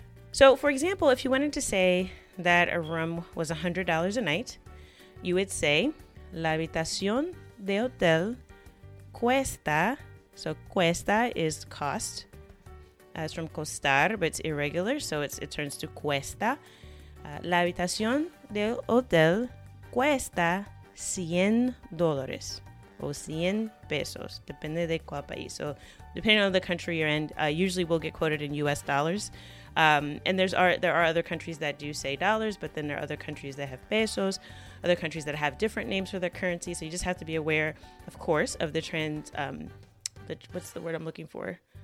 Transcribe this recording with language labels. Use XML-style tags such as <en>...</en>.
<en>So for example, if you wanted to say that a room was $100 a night, you would say</en> <es>la habitación de hotel cuesta.</es> <en>So cuesta is cost. It's from costar, but it's irregular, so it turns to cuesta.</en> <es>La habitación del hotel cuesta $100 o 100 pesos, depende de cuál país.</es> <en>So depending on the country you're in, usually we'll get quoted in U.S. dollars. And there are other countries that do say dollars, but then there are other countries that have pesos, other countries that have different names for their currency. So you just have to be aware, of course, of the trans. What's the word I'm looking for?</en>